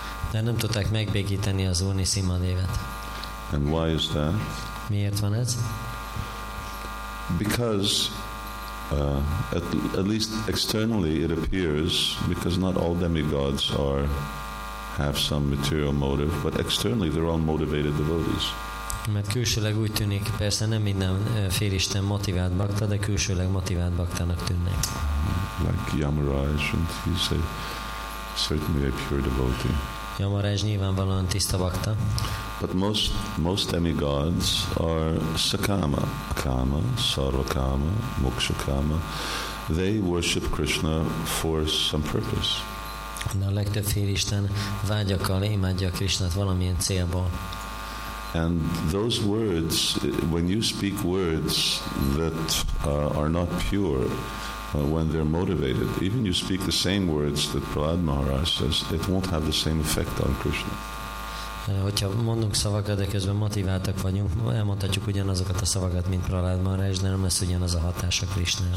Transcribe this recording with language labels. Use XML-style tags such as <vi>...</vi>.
<hu>De nem tudták megbékíteni az Úr Nrisimhadevet.</hu> <en>And why is that?</en> <hu>Miért van ez?</hu> <en>Because at least externally it appears, because not all demigods have some material motive, but externally they're all motivated devotees.</en> <hu>Mert külsőleg úgy tűnik, persze nem minden félisten motivált bakta, de külsőleg motivált baktának tűnnek.</hu> <en>Like Yamaraj, and he's certainly a pure devotee.</en> <hu>Yamaraj nyilvánvalóan tiszta bakta.</hu> <en>But most demigods are sakama, kama, sarvakama, mokshakama. They worship Krishna for some purpose.</en> <hu>De a legtöbb félisten vágyakkal imádja Krishnát valamilyen célból.</hu> <en>And those words, when you speak words that are not pure, when they're motivated, even you speak the same words that Prahlad Maharaj says, it won't have the same effect on Krishna.</en> <hu>hogyha mondunk szavakat, de közben motiváltak vagyunk, elmondhatjuk ugyanazokat a szavakat, mint Prahlád Maharaj, de nem lesz ugyanaz a hatás a Krisnára.</hu>